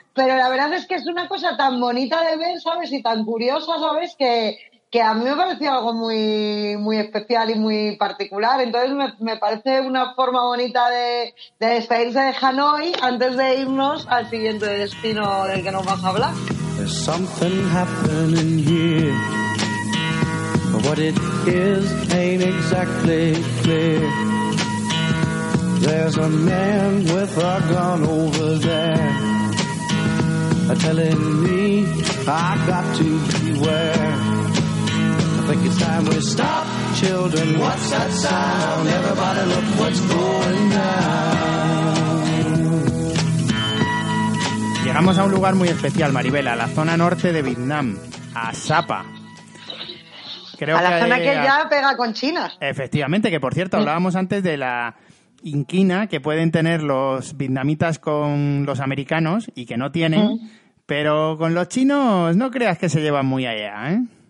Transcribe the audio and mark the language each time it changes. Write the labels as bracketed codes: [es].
[es] Pero la verdad es que es una cosa tan bonita de ver, ¿sabes? Y tan curiosa, ¿sabes? Que a mí me pareció algo muy, muy especial y muy particular. Entonces me parece una forma bonita de despedirse de Hanoi antes de irnos al siguiente destino del que nos vas a hablar. [en] There's something happening here. What it is ain't exactly clear. There's a man with a gun over there telling me I got to beware. I think it's time we stop, children. What's that sound? Everybody look what's going down. [es] Llegamos a un lugar muy especial, Maribel, a la zona norte de Vietnam, a Sapa. Creo a la zona que ya pega con China. Efectivamente, que por cierto, hablábamos antes de la inquina que pueden tener los vietnamitas con los americanos y que no tienen, pero con los chinos no creas que se llevan muy allá, ¿eh?